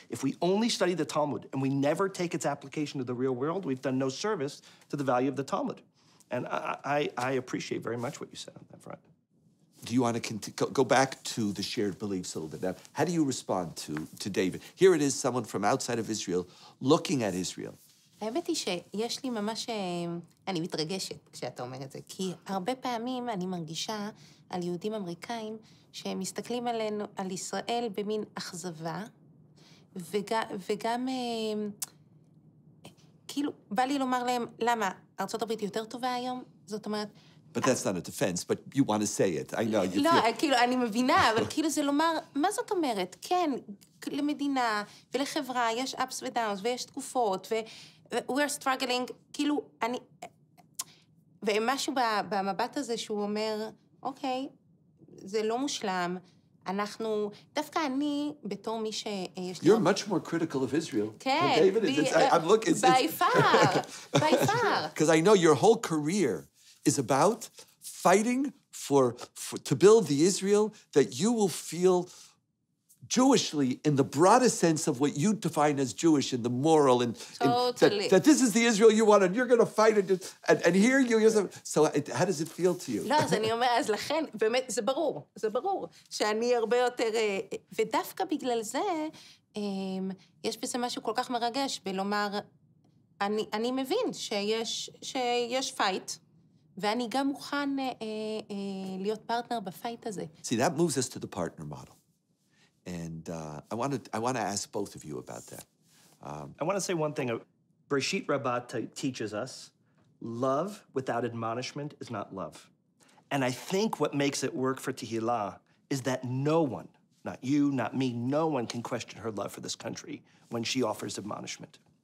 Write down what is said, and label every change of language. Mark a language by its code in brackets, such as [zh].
[en] If we only study the Talmud and we never take its application to the real world, we've done no service to the value of the Talmud. And I appreciate very much what you said on that front. Do you want to go back to the shared beliefs a little bit? Now, how do you respond to David? Here it is, someone from outside of Israel, looking at Israel. [he] האמת היא שיש לי ממש... אני מתרגשת כשאתה אומר את זה, כי הרבה פעמים אני מרגישה על יהודים אמריקאים שמסתכלים עלינו, על ישראל במין אכזבה, וגם... כאילו, בא לי לומר להם, למה? ארצות הברית יותר טובה היום? זאת אומרת... [en] But that's not a defense, but you want to say it. I know you feel... [he] לא, כאילו, אני מבינה, אבל כאילו זה לומר, מה זאת אומרת? כן, למדינה ולחברה יש [en] ups and downs, [he] ויש תקופות, ו... [en] We're struggling, [he] כאילו, אני... ומשהו במבט הזה שהוא אומר, אוקיי, זה לא מושלם, אנחנו, דווקא אני, בתור מי שיש... [en] You're much more critical of Israel. [he] כן. [en] David, By far. Because I know your whole career is about fighting to build the Israel that you will feel Jewishly in the broadest sense of what you define as Jewish in the moral and... Totally. And that this is the Israel you want and you're going to fight it. And here you... Yourself. So it, how does it feel to you? [he] לא, אז אני אומר, אז לכן, באמת, זה ברור. זה ברור שאני הרבה יותר... ודווקא בגלל זה, יש בזה משהו כל כך מרגש בלומר, אני מבין שיש פייט, ואני גם מוכן להיות פרטנר בפייט הזה. [en] See, that moves us to the partner model. And I want to ask both of you about that. I want to say one thing. Bereshit Rabbah teaches us, love without admonishment is not love. And I think what makes it work for Tehillah is that no one, not you, not me, no one can question her love for this country when she offers admonishment.